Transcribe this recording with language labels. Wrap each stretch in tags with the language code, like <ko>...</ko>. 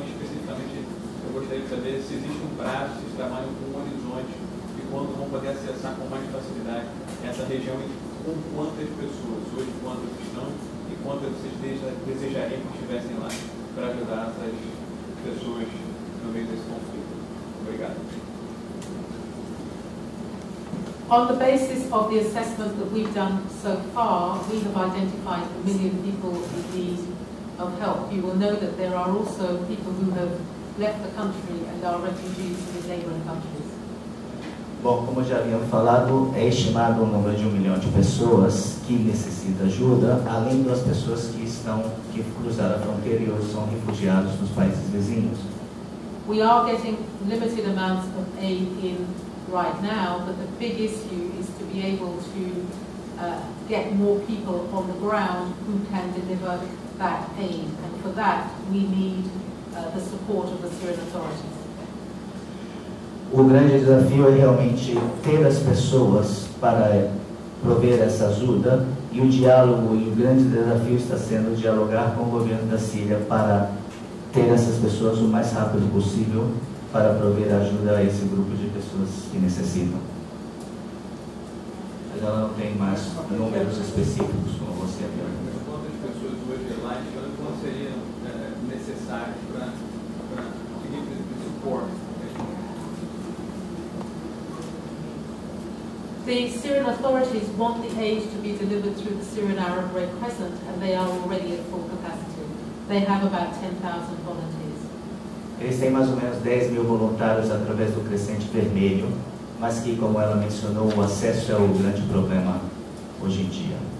<pt>E especificamente, eu gostaria de saber se existe um prazo, se trabalha com um horizonte, e quando vão poder acessar com mais facilidade essa região, e com quantas pessoas, hoje quantas estão, e quantas vocês desejariam que estivessem lá para ajudar essas pessoas no meio desse conflito. Obrigado.</pt> <en>On the basis of the assessment that we've done so far, we have identified a million people in need of help. You will know that there are also people who have left the country and are refugees in neighboring countries.</en> <pt>Bom, como já havíamos falado, é estimado o número de 1 milhão de pessoas que necessitam ajuda, além das pessoas que estão que cruzaram a fronteira ou são refugiados nos países vizinhos.</pt> <en>We are getting limited amounts of aid in right now, but the big issue is to be able to get more people on the ground who can deliver that aid. And for that, we need the support of the Syrian authorities.</en> <pt>O grande desafio é realmente ter as pessoas para prover essa ajuda, e o diálogo e o grande desafio está sendo dialogar com o governo da Síria para ter essas pessoas o mais rápido possível para prover ajuda a esse grupo de pessoas que necessitam. Mas ela não tem mais números específicos como você agora. Quantas pessoas hoje lá estão, quantas seriam necessárias para conseguir suporte?</pt> <en>The Syrian authorities want the aid to be delivered through the Syrian Arab Red Crescent, and they are already at full capacity. They have about 10,000 volunteers.</en> <pt>Eles têm mais ou menos 10 mil voluntários através do Crescente Vermelho, mas que, como ela mencionou, o acesso é o grande problema hoje em dia.</pt>